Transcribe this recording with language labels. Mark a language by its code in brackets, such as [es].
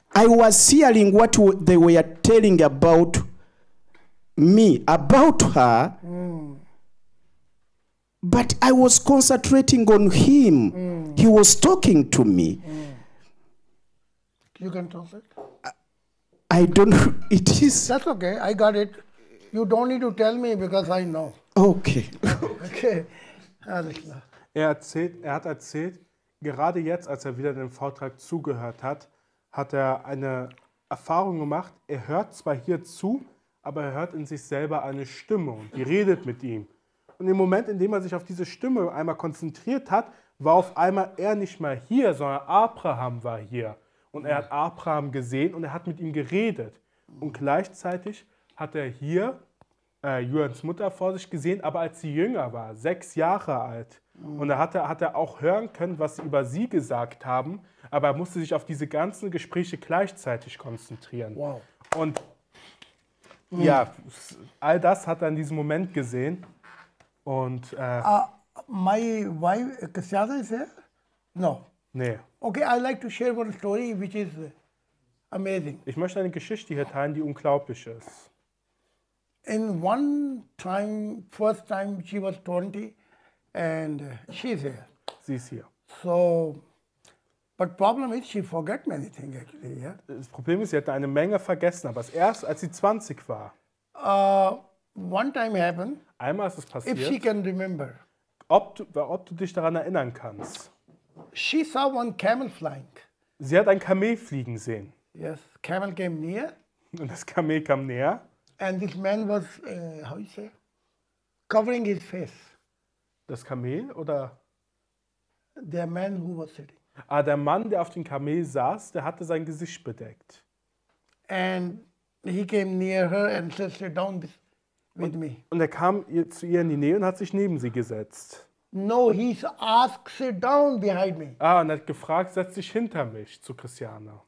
[en] I was hearing what they were telling about me, about her, but I was concentrating on him. Mm. He was talking to me. Mm. You can translate? I don't know. It is. That's okay. I got it. You don't need to tell me because I know. Okay. [de] Okay. Alles klar. Er hat erzählt, gerade jetzt, als er wieder dem Vortrag zugehört hat, hat er eine Erfahrung gemacht. Er hört zwar hier zu, aber er hört in sich selber eine Stimme und die redet mit ihm. Und im Moment, in dem er sich auf diese Stimme einmal konzentriert hat, war auf einmal er nicht mehr hier, sondern Abraham war hier. Und er hat Abraham gesehen und er hat mit ihm geredet. Und gleichzeitig hat er hier Jürgens Mutter vor sich gesehen, aber als sie jünger war, 6 Jahre alt. Und da hat er auch hören können, was sie über sie gesagt haben. Aber er musste sich auf diese ganzen Gespräche gleichzeitig konzentrieren. Wow. Und ja, all das hat er in diesem Moment gesehen. Und [en] My wife, Cassiana is here? No. [de] Nee. [en] Okay, I'd like to share one story which is amazing. [de] Ich möchte eine Geschichte hier teilen, die unglaublich ist. [en] In one time, first time she was 20, And she's here. [de] Sie ist hier. [en] So, but problem is she forget many things actually, yeah? [de] Das Problem ist, sie hat eine Menge vergessen, aber erst als sie 20 war. [en] One time happened. [de] Einmal ist es passiert. [en] If she can remember. [de] Ob du dich daran erinnern kannst. [en] She saw one camel flying. [de] Sie hat ein Kamel fliegen sehen. [en] Yes, camel came near. [de] Und das Kamel kam näher. [en] And this man was, how you say, covering his face. [de] Das Kamel oder? [en] The man who was sitting. [de] Ah, der Mann, der auf dem Kamel saß, der hatte sein Gesicht bedeckt. [en] And he came near her and said, sit down with me. [de] Und er kam zu ihr in die Nähe und hat sich neben sie gesetzt. [en] No, he's asked, sit down behind me. [de] Ah, und er hat gefragt, setz dich hinter mich, zu Christiane.